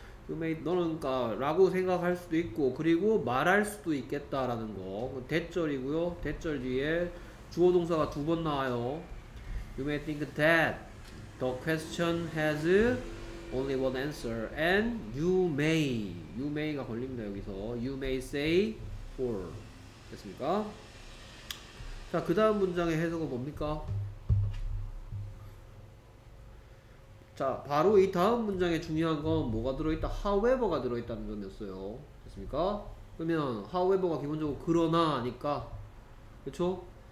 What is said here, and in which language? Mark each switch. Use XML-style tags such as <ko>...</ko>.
<ko>너는 그니까 라고 생각할 수도 있고 그리고 말할 수도 있겠다 라는 거 대절이고요. 대절 뒤에 주어 동사가 두 번 나와요.</ko> <en>You may think that the question has only one answer and you may,</en> <ko>you may가 걸립니다. 여기서</ko> <en>you may say for</en> <ko>됐습니까? 자, 그 다음 문장의 해석은 뭡니까? 자, 바로 이 다음 문장에 중요한 건 뭐가 들어있다? however가 들어있다는 점이었어요. 됐습니까? 그러면 however가 기본적으로 그러나 아니까 그쵸?</ko>